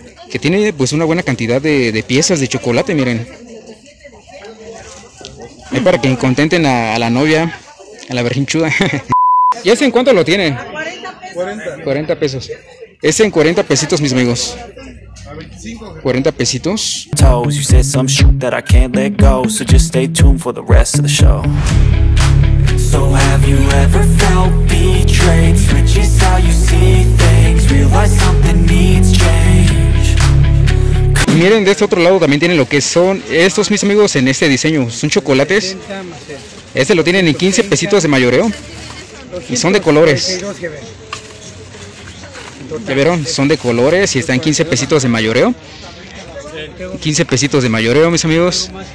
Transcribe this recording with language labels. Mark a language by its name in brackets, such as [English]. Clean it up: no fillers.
[Spanish] Que tiene pues una buena cantidad de piezas de chocolate, miren. Es para que contenten a la novia, a la berrinchuda. ¿Y ese en cuánto lo tiene? 40. 40 pesos. Ese en 40 pesitos, mis amigos. 40 pesitos. [English] Toes, you said some shit that I can't let go. So just stay tuned for the rest of the show. So have you ever felt betrayed? Switches how you see things. Realize something needs change. [Spanish] Y miren, de este otro lado también tienen lo que son estos, mis amigos, en este diseño. Son chocolates. Este lo tienen en 15 pesitos de mayoreo. Y son de colores. ¿Ya vieron? Son de colores y están en 15 pesitos de mayoreo. 15 pesitos de mayoreo, mis amigos.